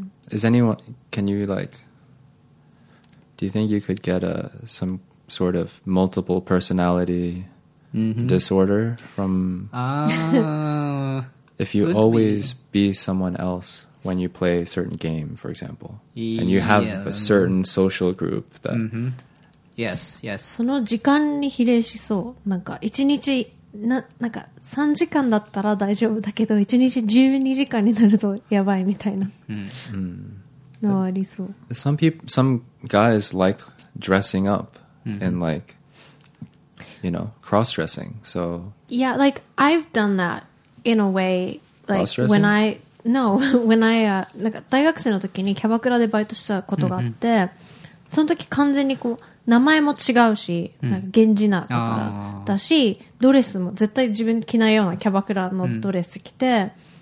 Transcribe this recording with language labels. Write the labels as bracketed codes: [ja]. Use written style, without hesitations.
[en] Is anyone, can you like, do you think you could get a, some sort of multiple personality、disorder from、if you always be someone else when you play a certain game, for example, and you have、a certain social group that...、 Yes, yes. [ja] その時間に比例しそう。なんか1日ななんか3時間だったら大丈夫だけど1日12時間になるとやばいみたいな、のはありそう。 [en] Some guys like dressing up、and like you know cross-dressing. So yeah, like I've done that in a way. Like when I no when I、 [ja] なんか大学生の時にキャバクラでバイトしたことがあって、その時完全にこう名前も違うし、なんか源氏名とかだし、ドレスも絶対自分着ないようなキャバクラのドレス着て、